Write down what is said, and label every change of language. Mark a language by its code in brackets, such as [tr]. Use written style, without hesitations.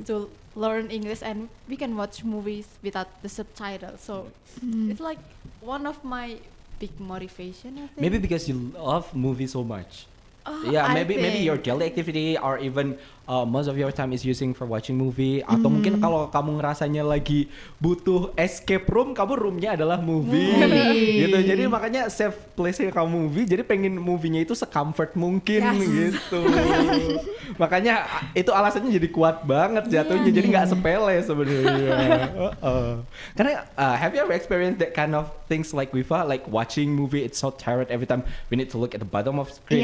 [en] To learn English and we can watch movies without the subtitle. So it's like one of my big motivation, I think. Maybe because you love movies so much. Yeah, maybe your daily activity or even most of your time is using for watching movie. [id] Atau mungkin kalau kamu ngerasanya lagi butuh escape room, kamu roomnya adalah movie. Gitu. Jadi makanya safe place-nya kamu movie. Jadi pengen movie-nya itu se-comfort mungkin, yes, gitu. Makanya itu alasannya jadi kuat banget jatuhnya. Yeah, jadi nggak sepele sebenarnya. [en] Karena have you ever experienced that kind of things like Wifa, like watching movie it's so tired every time we need to look at the bottom of screen,